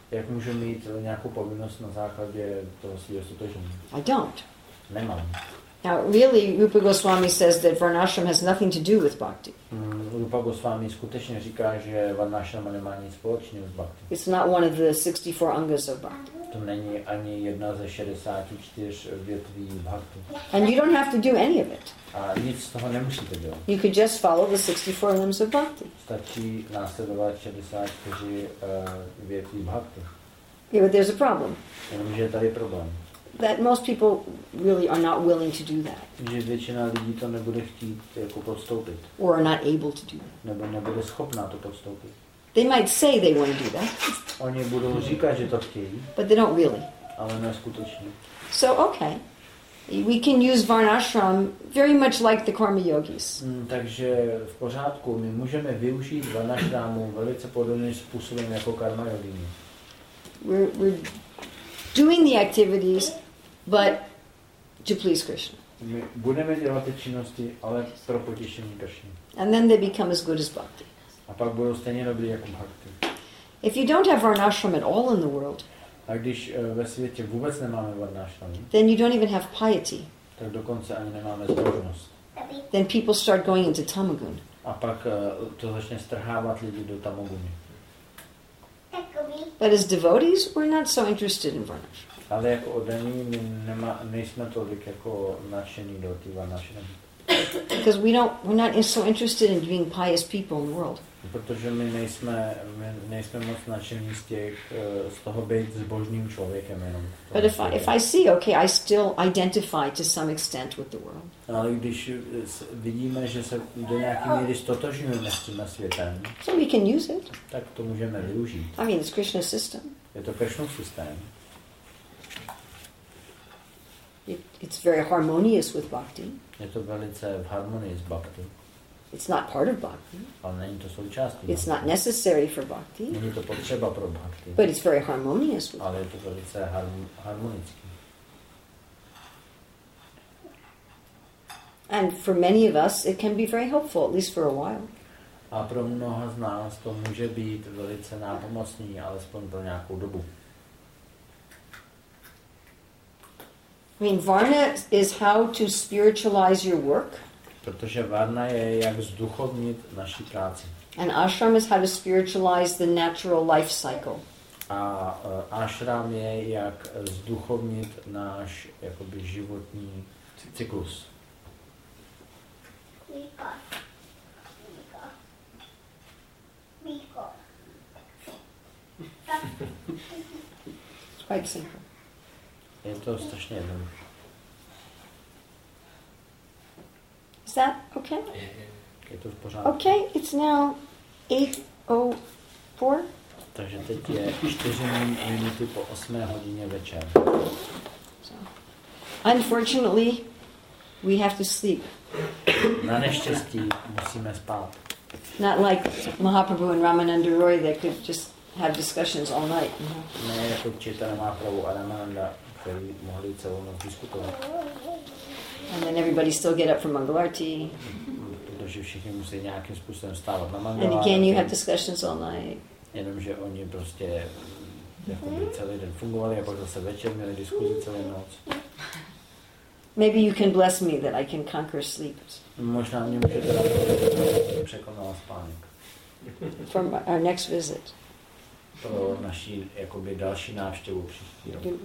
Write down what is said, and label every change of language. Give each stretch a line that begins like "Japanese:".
Czech: Jak můžu mít nějakou povinnost na základě toho svého ztotožnění?
English: I don't.
Czech: Nemám.
English: Now, really, Rupa Goswami says that varnashram has nothing to do with bhakti.
Czech: Rupa Goswami skutečně říká, že varnashram nemá nic společného s bhakti.
English: It's not one of the 64 angas of bhakti.
Czech: To není ani jedna ze 64 větví bhakti.
English: And you don't have to do any of it.
Czech: A nic z toho nemusíte dělat.
English: You could just follow the 64 limbs of bhakti.
Czech: Stačí následovat 64 větví bhakti.
English: Yeah, but there's a problem.
Czech: Jenomže tady je problém.
English: That most people really are not willing to do that.
Czech: Že většina lidí to nebude chtít jako podstoupit.
English: Or are not able to do that.
Czech: Nebo nebude schopná to podstoupit.
English: They might say they want to do that.
Czech: Oni budou říkat, že to chtějí.
English: But they don't really.
Czech: Ale ne skutečně.
English: So okay, we can use varnashram very much like the karma yogis.
Czech: Takže v pořádku, my můžeme využít varnashramu velice podobným způsobem jako karma yogini.
English: Doing the activities, but to please Krishna.
Czech: My budeme dělat ty činnosti, ale pro potěšení Krishny.
English: And then they become as good as bhakti.
Czech: A pak budou stejně dobrý jako bhakti.
English: If you don't have varnashram at all in the world,
Czech: a když ve světě vůbec nemáme varnashram,
English: then you don't even have piety.
Czech: Tak dokonce ani nemáme zbožnost.
English: Then people start going into tamogun.
Czech: A pak to začne strhávat lidi do tamoguny.
English: But as devotees, we're not so interested in varnashram.
Czech: Ale jako oddaní, nejsme tolik jako nadšení do tý varnashram.
English: Because we're not so interested in being pious people in the world.
Czech: Protože my nejsme moc nadšení z toho být zbožným člověkem jenom.
English: But if I see, okay, I still identify to some extent with the world.
Czech: Ale když vidíme, že se do nějaké míry ztotožňujeme s tím světem,
English: so we can use it.
Czech: Tak to můžeme využít.
English: I mean, it's Krishna's system.
Czech: Je to Krishnův systém.
English: It's very harmonious with bhakti.
Czech: Je to velice v harmonii s bhakti.
English: It's not part of bhakti.
Czech: Ale není to součástí.
English: It's not necessary for bhakti.
Czech: Není to potřeba pro bhakti.
English: But it's very harmonious with.
Czech: Ale je to velice harmonický.
English: And for many of us, it can be very helpful, at least for a while.
Czech: A pro mnoha z nás to může být velice nápomocný, alespoň pro nějakou dobu.
English: I mean, varna is how to spiritualize your work.
Czech: Protože varna je jak zduchovnit naši práci.
English: And ashram is how to spiritualize the natural life cycle.
Czech: A ashram je jak zduchovnit náš jakoby životní cyklus. Miko.
English: Quite simple.
Czech: Je to strašně jednoduché.
English: Is that okay?
Czech: Je to v pořádku.
English: Okay, it's now 8:04.
Czech: Takže teď je 4 minuty po 8 hodině večer.
English: Unfortunately, we have to sleep.
Czech: Na neštěstí musíme spát.
English: Not like Mahaprabhu and Ramananda Roy, they could just have discussions all night.
Czech: Ne, jako Chaitanya Mahaprabhu a Ramananda, který mohli celou noc diskutovat.
English: And then everybody still get up for Mangalarti.
Czech: Protože všichni musí nějakým způsobem stávat na
English: Mangalarti. And again, you have discussions all night.
Czech: Jenomže oni prostě celý den fungovali a pak zase večer měli diskuzi celou noc.
English: Maybe you can bless me that I can conquer sleep.
Czech: Možná mě můžete překonat spánek.
English: For our next visit.
Czech: Pro naši jakoby další návštěvu příští rok.